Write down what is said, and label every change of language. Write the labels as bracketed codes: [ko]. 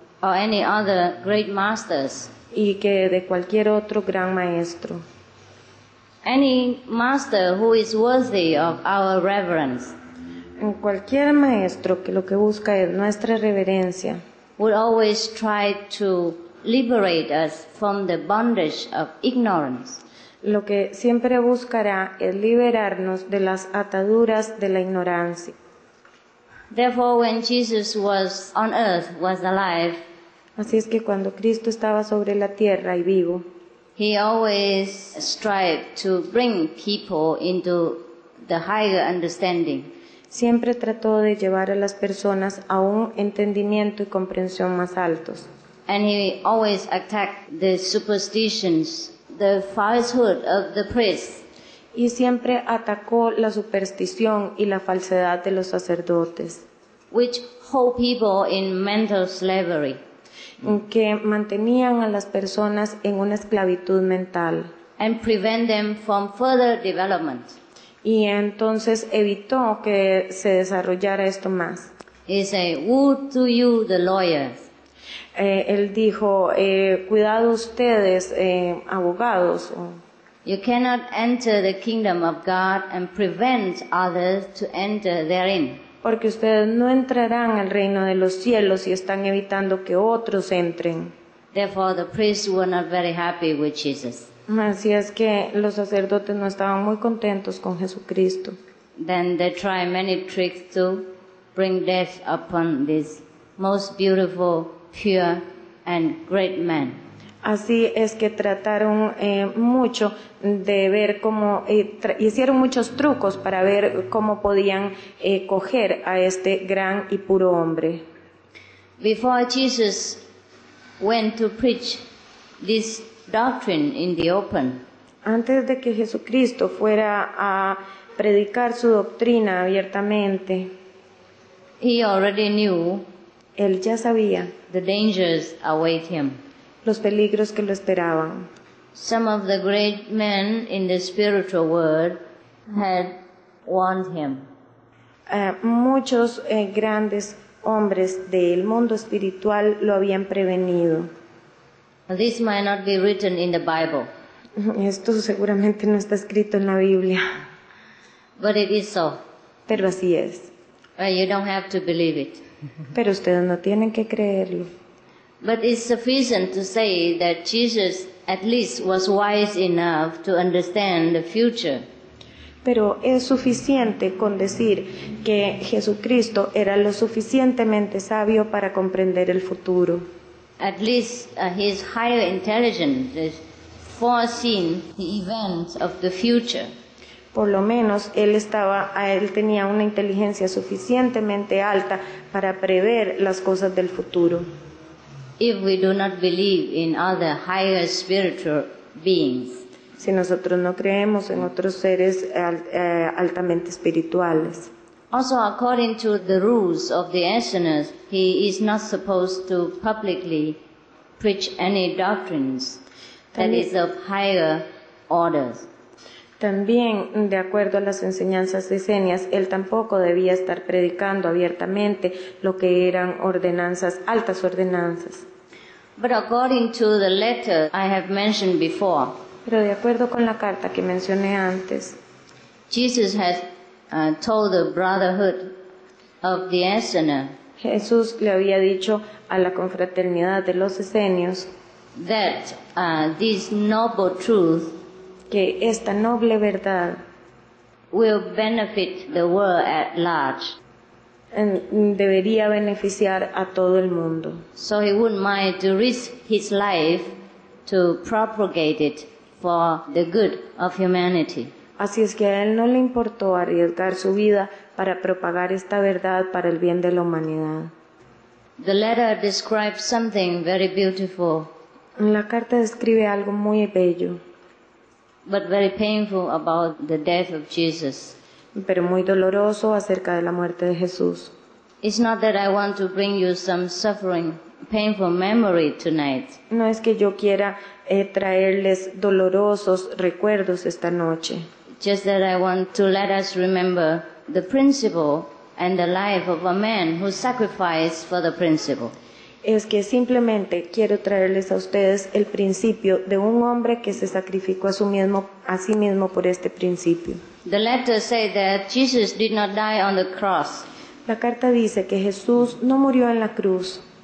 [en] or any other great masters. [es] Y que de cualquier otro gran maestro. [en] Any master who is worthy of our reverence. [es] Cualquier maestro que lo que busca es nuestra reverencia. [en] Would always try to liberate us from the bondage of ignorance. [es] Lo que siempre buscará es liberarnos de las ataduras de la ignorancia. [en] Therefore, when Jesus was on earth, was alive, [es] así es que cuando Cristo estaba sobre la tierra y vivo, [en] he always strived to bring people into the higher understanding. [es] Siempre trató de llevar a las personas a un entendimiento y comprensión más altos. [en] And he always attacked the superstitions, the falsehood of the priests. [es] Y siempre atacó la superstición y la falsedad de los sacerdotes. [en] Which hold people in mental slavery. [es] Que mantenían a las personas en una esclavitud mental. [en] And prevent them from further development. [es] Y entonces evitó que se desarrollara esto más. [en] He said, "Woe to you, the lawyers." [es] Él dijo, cuidado ustedes, abogados. [en] You cannot enter the kingdom of God and prevent others to enter therein. [es] Porque ustedes no entrarán al reino de los cielos si están evitando que otros entren. [en] Therefore, the priests were not very happy with Jesus. [es] Así es que los sacerdotes no estaban muy contentos con Jesucristo. [en] Then they tried many tricks to bring death upon this most beautiful, pure and great man. [es] Así es que trataron mucho de ver cómo hicieron muchos trucos para ver cómo podían coger a este gran y puro hombre. [en] Before Jesus went to preach this doctrine in the open. [es] Antes de que Jesucristo fuera a predicar su doctrina abiertamente. [en] He already knew. [es] Él ya sabía. [en] The dangers await him. [es] Los peligros que lo esperaban. [en] Some of the great men in the spiritual world had warned him. [es] Muchos grandes hombres del mundo espiritual lo habían prevenido. [en] This might not be written in the Bible. [es] Esto seguramente no está escrito en la Biblia. [en] But it is so. [es] Pero así es. [en] Well, you don't have to believe it. [es] Pero ustedes no tienen que creerlo. [en] But it's sufficient to say that Jesus at least was wise enough to understand the future. [es] Pero es suficiente con decir que Jesucristo era lo suficientemente sabio para comprender el futuro. [en] At least his higher intelligence has foreseen the events of the future. [es] Por lo menos él tenía una inteligencia suficientemente alta para prever las cosas del futuro. [en] If we do not believe in other higher spiritual beings, [es] si nosotros no creemos en otros seres altamente espirituales. [en] Also, according to the rules of the Asanas, he is not supposed to publicly preach any doctrines that is of higher orders. [es] También, de acuerdo a las enseñanzas de Esenias, él tampoco debía estar predicando abiertamente lo que eran ordenanzas, altas ordenanzas. [en] But according to the letter I have mentioned before, [es] pero de acuerdo con la carta que mencioné antes, [en] Jesus has told the brotherhood of the Asana, [es] Jesús le había dicho a la confraternidad de los Esenios, [en] that this noble truth [es] que esta noble verdad [en] will benefit the world at large. [es] Debería beneficiar a todo el mundo. [en] So he wouldn't mind to risk his life to propagate it for the good of humanity. [es] Así es que a él no le importó arriesgar su vida para propagar esta verdad para el bien de la humanidad. [en] The letter describes something very beautiful. [es] La carta describe algo muy bello. [en] But very painful about the death of Jesus. [es] Pero muy doloroso acerca de la muerte de Jesús. [en] It's not that I want to bring you some suffering, painful memory tonight. [es] No es que yo quiera traerles dolorosos recuerdos esta noche. [en] Just that I want to let us remember the principle and the life of a man who sacrificed for the principle. [es] Es que simplemente quiero traerles a ustedes el principio de un hombre que se sacrificó a sí mismo por este principio. [en] The letter says that Jesus did not die on the cross. [es] La carta dice que Jesús no murió en la cruz.